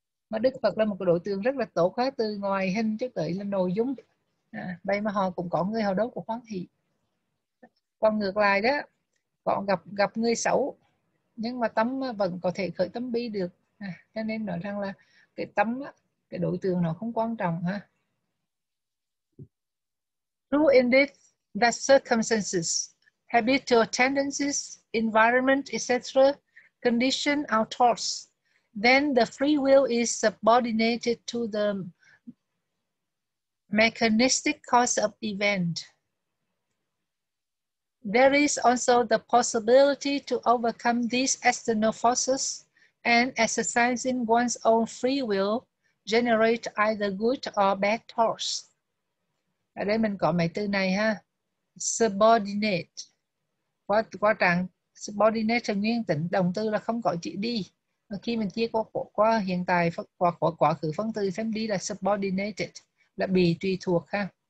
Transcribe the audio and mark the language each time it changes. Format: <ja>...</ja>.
<vi>Mà Đức Phật là một cái đối tượng rất là tốt hết, từ ngoài hình cho tới là nội dung à, vậy mà họ cũng có người họ đâu có hoan hỷ. Còn ngược lại đó, họ gặp gặp người xấu nhưng mà tâm vẫn có thể khởi tâm bi được à, cho nên nói rằng là cái tâm, cái đối tượng nó không quan trọng ha.</vi> <en>True indeed that circumstances, habitual tendencies, environment, etc., condition our thoughts, then the free will is subordinated to the mechanistic cause of event. There is also the possibility to overcome these external forces and exercising one's own free will generate either good or bad thoughts.</en> <vi>Ở đây mình có mấy từ này ha. Subordinate. Quá trạng subordinate là nguyên tính, động từ là không có chữ đi. Và khi mình chia qua hiện tại qua quá khứ phân từ xem đi là subordinated, là bị tùy thuộc ha.</vi>